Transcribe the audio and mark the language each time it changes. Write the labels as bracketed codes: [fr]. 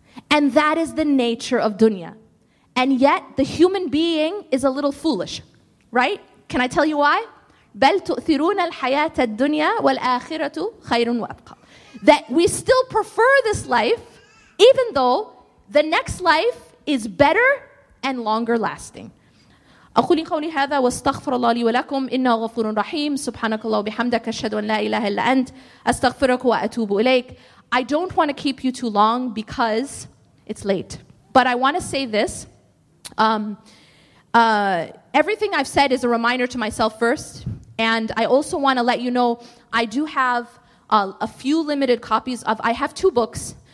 [en] And that is the nature of dunya. And yet, the human being is a little foolish, right? Can I tell you why? [ar] بَلْ تُؤْثِرُونَ الْحَيَاةَ الدُّنْيَا وَالْآخِرَةُ خَيْرٌ وَأَبْقَى. [en] That we still prefer this life, even though the next life is better and longer lasting. [ar] أقول قولي هذا واستغفر الله لي ولكم إنه غفور رحيم سبحانك الله وبحمدك أشهد أن لا إله إلا أنت أستغفرك وأتوب إليك. [en] I don't want to keep you too long because it's late. But I want to say this. Everything I've said is a reminder to myself first. And I also want to let you know I do have a few limited copies of, I have two books.